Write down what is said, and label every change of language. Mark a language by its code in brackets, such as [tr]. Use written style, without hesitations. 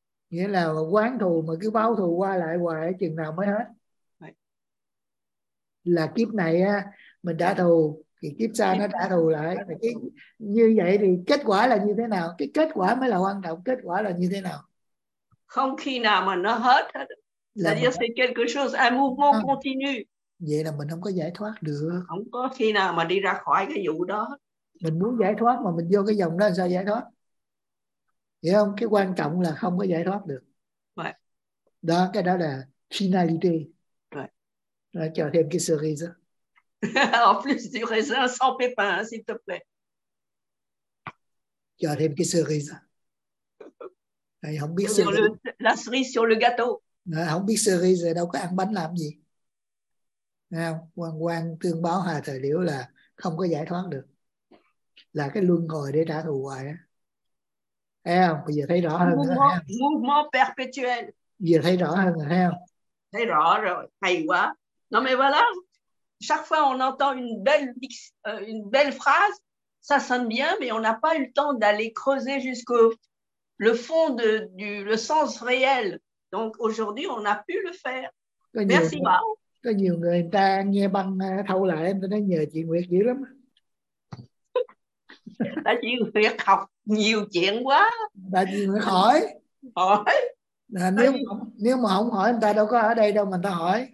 [vi] Nghĩa là quán thù mà cứ báo thù qua lại hoài, chừng nào mới hết. Là kiếp này á, mình trả thù thì kiếp sau nó trả thù lại. Như vậy thì kết quả là như thế nào? Cái kết quả mới là quan trọng. Kết quả là như thế nào? Không khi nào mà nó hết. Là [fr] quelque chose, un mouvement continu. [vi] Vậy là mình không có giải thoát được. Không có khi nào mà đi ra khỏi cái vụ đó. Mình muốn giải thoát mà mình vô cái vòng đó làm sao giải thoát? Hiểu không? Cái quan trọng là không có giải thoát được. [en] Right. [vi] Đó, cái đó là finality. [en] Right. [vi] Rồi, cho thêm cái cerise. [fr] En plus du raisin sans pépin, s'il te plaît. [vi] Cho thêm cái cerise. Này, không biết cerise. [fr] La cerise sur le gâteau. [vi] Này, không biết cerise đâu có ăn bánh làm gì. Nghe không? Quang quang tương báo hà thời điểu là không có giải thoát được. Là cái luân hồi để trả thù hoài á. Thấy không? Bây giờ thấy rõ hơn rồi. [fr] Mouvement perpétuel. [vi] Giờ thấy rõ hơn rồi, thấy không? Thấy rõ rồi, hay quá. [fr] Non mais voilà. Chaque fois on entend une belle phrase, ça sonne bien, mais on n'a pas eu le temps d'aller creuser jusqu'au le fond de du le sens réel. Donc aujourd'hui, on a pu le faire. Merci beaucoup. [vi] Có nhiều người ta nghe băng thâu lại, em ta nói nhờ chị Nguyệt dữ lắm. Tại chị Nguyệt học nhiều chuyện quá. Tại chị Nguyệt hỏi. Hỏi. Là nếu mà không hỏi, người ta đâu có ở đây đâu mà người ta hỏi.